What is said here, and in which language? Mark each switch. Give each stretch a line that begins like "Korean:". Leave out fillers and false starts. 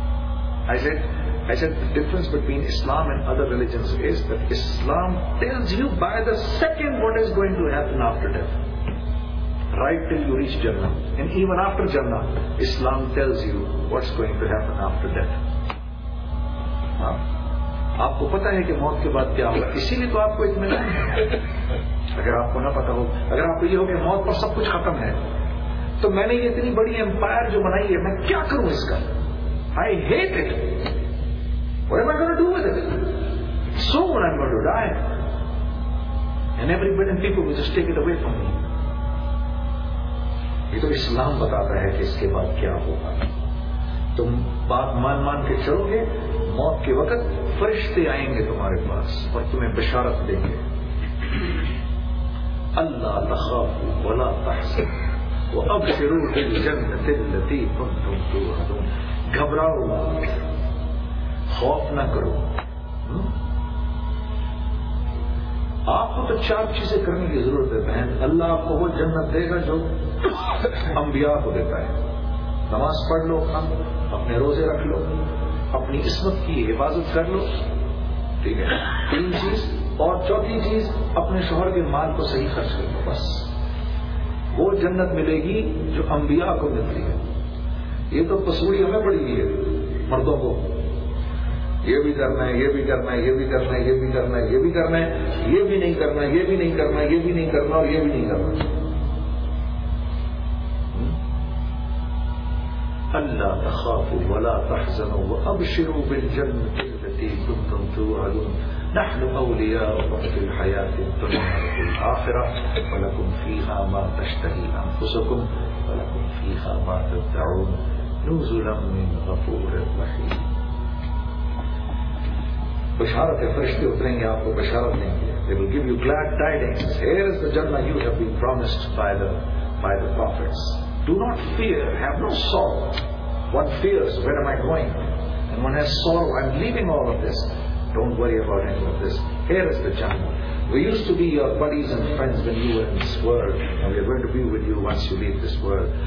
English: I said the difference between Islam and other religions is that Islam tells you by the second what is going to happen after death, right till you reach Jannah, and even after Jannah Islam tells you what's going to happen after death.
Urdu: آپ کو پتا ہے کہ موت کے بعد کیا ہوگا، اسی لیے تو آپ کو اطمینان ہے. اگر آپ کو نہ پتا ہو، اگر آپ کو یہ ہو کہ موت پر سب کچھ ختم ہے، تو میں نے یہ اتنی بڑی امپائر جو بنائی ہے میں کیا کروں اس کا؟
English: I hate it. What am I going to do with it? Soon I'm going to die. And everybody and people will just take it away from me.
Urdu: یہ تو اسلام بتاتا ہے کہ اس کے بعد کیا ہوگا. تم بات مان کے چلو گے، موت کے وقت فرشتے آئیں گے تمہارے پاس اور تمہیں بشارت دیں گے.
Arabic: اللہ تخاف ولا تحزن وابشروا بالجنة التي كنتم توعدون.
Urdu: گھبراؤ، خوف نہ کرو. آپ کو تو چار چیزیں کرنے کی ضرورت ہے بہن. اللہ آپ کو وہ جنت دے گا جو انبیاء کو دیتا ہے. نماز پڑھ لو، خان اپنے روزے رکھ لو، اپنی عصمت کی حفاظت کر لو، ٹھیک ہے؟ تین چیز. اور چوتھی چیز، اپنے شوہر کے مال کو صحیح خرچ کر لو. بس وہ جنت ملے گی جو انبیاء کو ملتی ہے. یہ تو پسوڑی ہمیں پڑی ہوئی ہے مردوں کو، یہ بھی کرنا ہے، یہ بھی نہیں کرنا اور یہ بھی نہیں کرنا.
Arabic: اللہ تخاف ولا تحزن وابشروا بالجنة التي كنتم توعدون نحن اولياؤكم في الحياة الدنيا وفي الآخرة ولكم فيها ما تشتهي انفسكم ولكم فيها ما تدعون نزلا من غفور رحيم.
Urdu: بشارت ہے، فرشتے اتریں گے، آپ کو بشارت دیں گے.
English: They will give you glad tidings. Here is the Jannah you have been promised by the prophets. Do not fear, have no sorrow. One fears, where am I going? And one has sorrow, I'm leaving all of this. Don't worry about any of this. Here is the Jannah. We used to be your buddies and friends when you were in this world. And we're going to be with you once you leave this world.